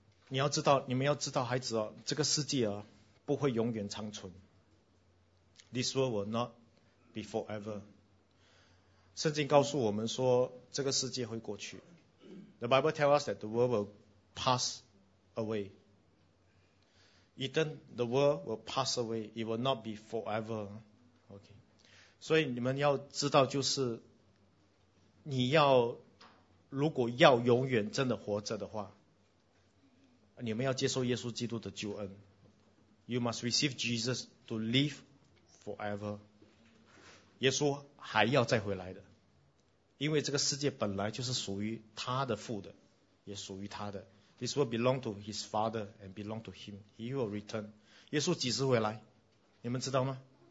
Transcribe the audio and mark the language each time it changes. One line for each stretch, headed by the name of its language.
Chinese: 你要知道，你们要知道，孩子这个世界不会永远长存。
English: This world will not be forever.
Chinese: 圣经告诉我们说，这个世界会过去。
English: The Bible tells us that the world will pass away. Even the world will pass away, it will not be forever. Okay.
Chinese: 所以你们要知道，就是你要如果要永远真的活着的话。你们要接受耶稣基督的救恩
English: You must receive Jesus to live forever
Chinese: 耶稣还要再回来的因为这个世界本来就是属于他的父的也属于他的
English: This will belong to his father and belong to him He will return
Chinese: 耶稣几时回来你们知道吗